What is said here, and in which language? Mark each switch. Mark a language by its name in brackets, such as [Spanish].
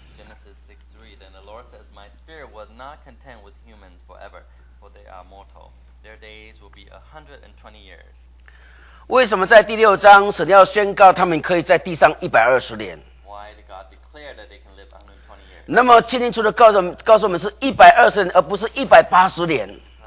[English] Genesis 6:3 Then the Lord says, My spirit was not content with humans forever, for they are mortal. Their days will be 120 years. [Chinese] 为什么在第六章神要宣告他们可以在地上120年？ [English] Why did God declare that they can live 120 years? [Chinese] 那么清清楚的告诉我们是120年，而不是180年。